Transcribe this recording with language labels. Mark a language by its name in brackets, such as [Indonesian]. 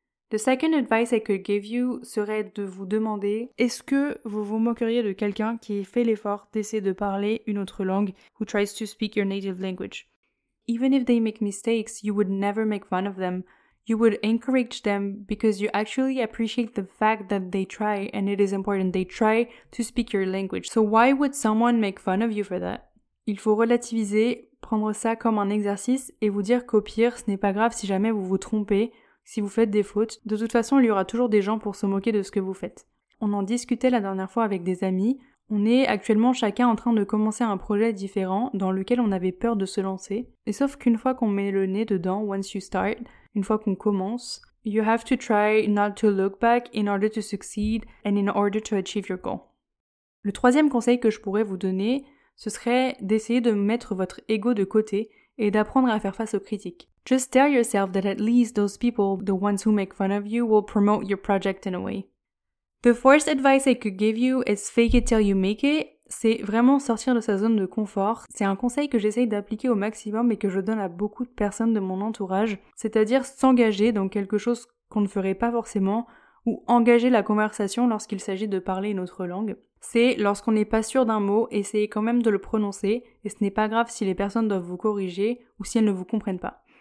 [English] The second advice I could give you [French] serait de vous demander, est-ce que vous vous moqueriez de quelqu'un qui fait l'effort d'essayer de parler une autre langue, [English] who tries to speak your native language? Even if they make mistakes, you would never make fun of them. You would encourage them because you actually appreciate the fact that they try, and it is important, they try to speak your language. So why would someone make fun of you for that? [French] Il faut relativiser, prendre ça comme un exercice et vous dire qu'au pire, ce n'est pas grave si jamais vous vous trompez, si vous faites des fautes. De toute façon, il y aura toujours des gens pour se moquer de ce que vous faites. On en discutait la dernière fois avec des amis. On est actuellement chacun en train de commencer un projet différent dans lequel on avait peur de se lancer. Et sauf qu'une fois qu'on met le nez dedans, [English] once you start, [French] une fois qu'on commence, [English] you have to try not to look back in order to succeed and in order to achieve your goal. [French] Le troisième conseil que je pourrais vous donner, ce serait d'essayer de mettre votre ego de côté et d'apprendre à faire face aux critiques. [English] Just tell yourself that at least those people, the ones who make fun of you, will promote your project in a way. The fourth advice I could give you is fake it till you make it. [French] C'est vraiment sortir de sa zone de confort. C'est un conseil que j'essaye d'appliquer au maximum et que je donne à beaucoup de personnes de mon entourage. C'est-à-dire s'engager dans quelque chose qu'on ne ferait pas forcément ou engager la conversation lorsqu'il s'agit de parler une autre langue. C'est lorsqu'on n'est pas sûr d'un mot, essayez quand même de le prononcer et ce n'est pas grave si les personnes doivent vous corriger ou si elles ne vous comprennent pas.